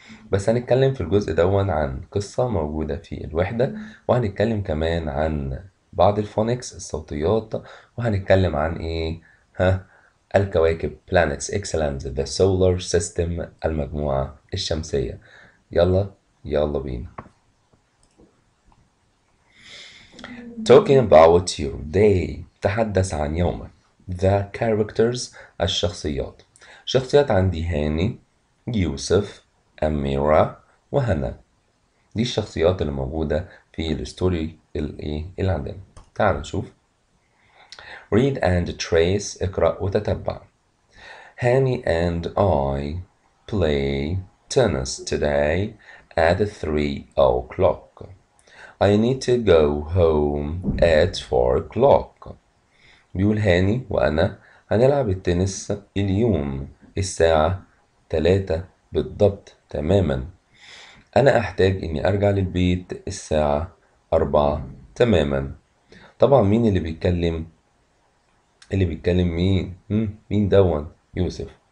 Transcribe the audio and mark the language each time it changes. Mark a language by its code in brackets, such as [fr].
[ar] بس هنتكلم في الجزء ده عن قصة موجودة في الوحدة، وهنتكلم كمان عن بعض الفونكس الصوتيات، وهنتكلم عن ايه، ها، الكواكب [en] planets excellent the solar system [ar] المجموعة الشمسية. يلا يلا بينا. [en] Talking about your day، [ar] تحدث عن يومك. [en] The characters [ar] الشخصيات. شخصيات عندي هاني، يوسف، أميرة، وهنا. دي الشخصيات اللي موجودة في الستوري اللي عندنا. تعال نشوف. [en] Read and trace، [ar] اقرأ وتتبع. [en] Hani and I play tennis today at 3 o'clock. I need to go home at 4 o'clock. [ar] بيقول هاني وأنا هنلعب التنس اليوم الساعة 3 بالضبط تماما. أنا أحتاج إني أرجع للبيت الساعة 4 تماما. طبعا مين اللي بيتكلم؟ اللي بيتكلم مين؟ مين دون؟ يوسف.